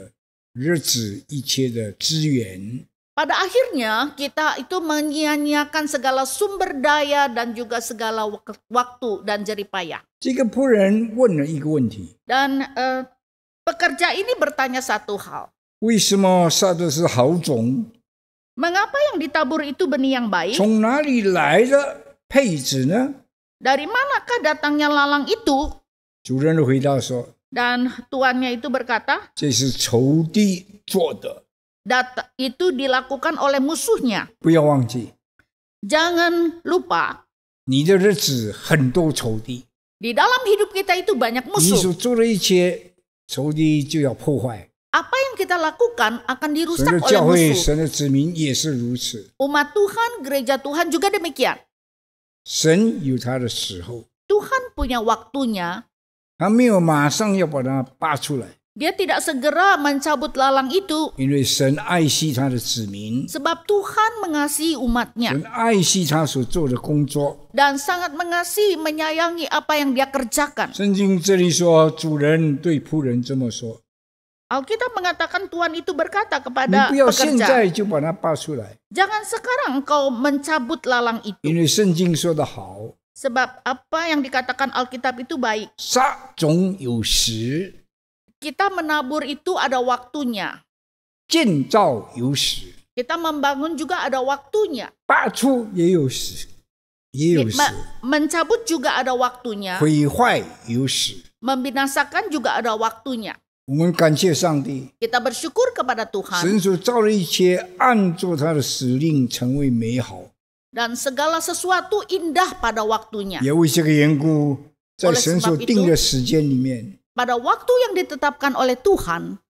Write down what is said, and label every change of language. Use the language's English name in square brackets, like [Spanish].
[Chinese] 最后的结果就是荒废一切的日子，一切的资源。 [Indonesian] Pada akhirnya kita itu menyia-nyiakan segala sumber daya dan juga segala waktu dan jerih payah. [Chinese] 这个仆人问了一个问题, [Indonesian] dan pekerja ini bertanya satu hal. [Chinese] 为什么撒的是好种? [Indonesian] Mengapa yang ditabur itu benih yang baik? [Chinese] 从哪里来的配子呢? [Indonesian] Dari manakah datangnya lalang itu? [Chinese] 主人回答说, [Indonesian] dan tuannya itu berkata, [Chinese] 这是仇敌做的。 [Indonesian] itu dilakukan oleh musuhnya. [Chinese] 不要忘记, [Indonesian] jangan lupa. [Chinese] 你的日子很多仇敌, [Indonesian] di dalam hidup kita itu banyak musuh. [Chinese] 你所做的一切, 仇敌就要破坏, [Indonesian] apa yang kita lakukan akan dirusak oleh musuh. [Chinese] 所以教会, 神的子民也是如此, [Indonesian] umat Tuhan, gereja Tuhan juga demikian. [Chinese] 神有他的时候, [Indonesian] Tuhan punya waktunya. [Chinese] 他没有马上要把它拔出来, [Indonesian] dia tidak segera mencabut lalang itu. [Chinese] 因为神爱惜他的子民, [Indonesian] sebab Tuhan mengasihi umatnya. [Chinese] 神爱惜他所做的工作, [Indonesian] dan sangat mengasihi, menyayangi apa yang dia kerjakan. [Chinese] 圣经这里说, 主人对仆人这么说, [Indonesian] Alkitab mengatakan Tuhan itu berkata kepada pekerja, jangan sekarang engkau mencabut lalang itu. [Chinese] 因为圣经说的好, [Indonesian] sebab apa yang dikatakan Alkitab itu baik. [Chinese] 撒种有时, [Indonesian] kita menabur itu ada waktunya. [Chinese] 建造有时, [Indonesian] kita membangun juga ada waktunya. [Chinese] 拔出也有时, [Indonesian] mencabut juga ada waktunya. [Chinese] 毁坏有时, [Indonesian] membinasakan juga ada waktunya. [Chinese] 我们感谢上帝, [Indonesian] kita bersyukur kepada Tuhan. [Chinese] 神所造的一切按照他的使令成为美好, [Indonesian] dan segala sesuatu indah pada waktunya. [Chinese] 也为这个缘故, 在神所定的时间里面, [Indonesian] pada waktu yang ditetapkan oleh Tuhan,